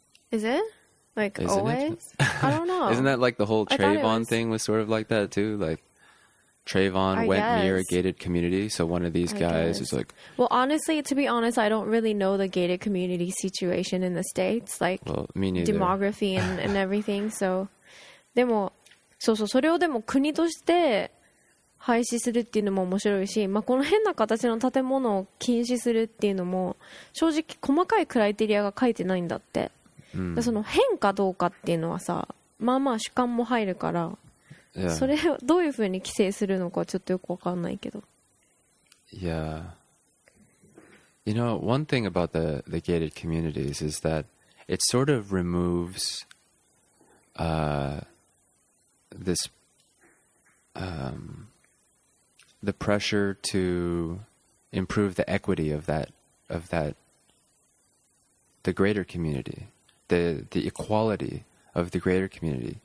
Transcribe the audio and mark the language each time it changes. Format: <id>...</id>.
<en>Is it? Like Isn't always? It? I don't know. Isn't that like the whole Trayvon thing was sort of like that too? Like Trayvon I went guess. Near a gated community. So one of these guys is like... Well, honestly, to be honest, I don't really know the gated community situation in the States. Like well, me neither. Demography and everything. So...</en> <ja>でもそうそうそれをでも国として廃止するっていうのも面白いし、まあ、この変な形の建物を禁止するっていうのも正直細かいクライテリアが書いてないんだって、 mm. でその変かどうかっていうのはさまあまあ主観も入るから、</ja> <en>yeah.</en> <ja>それをどういうふうに規制するのかちょっとよくわかんないけど</ja> <en>Yeah You know one thing about the gated communities is that it sort of removesthe pressure to improve the equity of that the greater community, the equality of the greater community.</en>